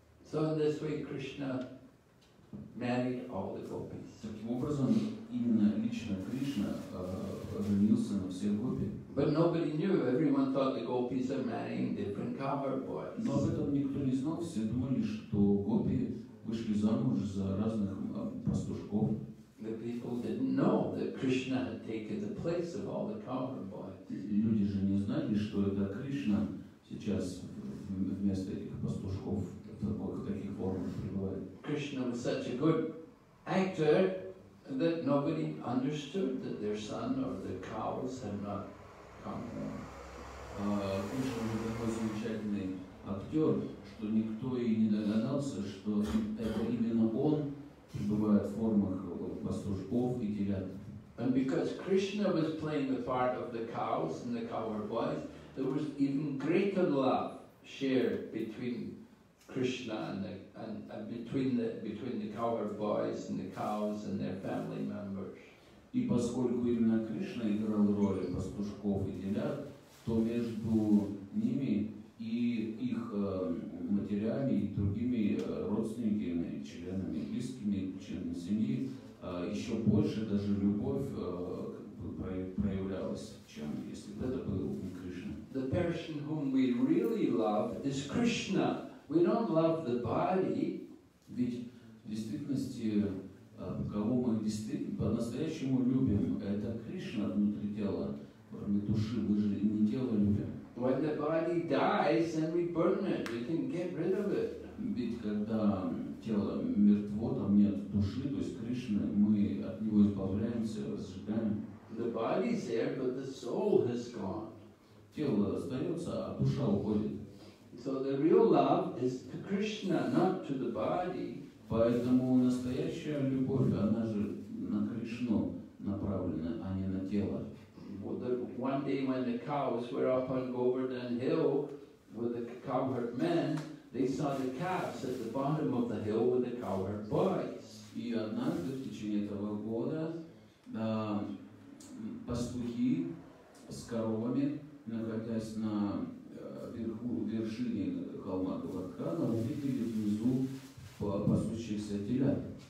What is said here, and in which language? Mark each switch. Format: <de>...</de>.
<en>So in this way Krishna married all the gopis.</en> <ru>Таким образом, именно лично Кришна женился на всех гопи.</ru> <en>But nobody knew. Everyone thought the gopis are marrying different cowherd boys.</en> <ru>Но об этом никто не знал. Все думали, что гопи вышли замуж за разных пастушков.</ru> <en>The people didn't know that Krishna had taken the place of all the cowherd boys.</en> <ru>Люди же не знали, что это Кришна сейчас вместо этих пастушков в таких формах пребывает.</ru> <en>Krishna was such a good actor that nobody understood that their son or the cows had not come home.</en> <ru>Кришна был такой замечательный актер, что никто и не догадался, что это именно он пребывает в формах пастушков и телят.</ru> <en>And because Krishna was playing the part of the cows and the cowherd boys, there was even greater love shared between Krishna and between the cowherd boys and the cows and their family members.</en> <ru>И поскольку именно Кришна играл роль пастушков и телят, то между ними и их матерями и другими родственниками, членами близкими, членами семьи, еще больше даже любовь проявлялось в чем, если бы это был Кришна.</ru> <en>The person whom we really love is Krishna. We don't love the body.</en> <ru>Ведь в действительности, кого мы действительно по-настоящему любим, это Кришна внутри тела, кроме души, мы же не тело любим.</ru> <en>When the body dies, then we burn it. We can get rid of it.</en> <ru>Ведь когда тело мертво, там нет души, то есть Кришны, мы от него избавляемся, сжигаем.</ru> <en>The body is there, but the soul has gone.</en> <ru>Тело остается, а душа уходит.</ru> <en>So the real love is to Krishna, not to the body.</en> <ru>Поэтому настоящая любовь, она же на Кришну направлена, а не на тело.</ru> <en>Well, the, one day when the cows were up on Govardhan Hill with the cowherd men, they saw the calves at the bottom of the hill with the cowherd boys.</en> <ru>И однажды в течение этого года пастухи с коровами, находясь на верху вершине холма Говардхана, увидели внизу пасущихся телят.</ru>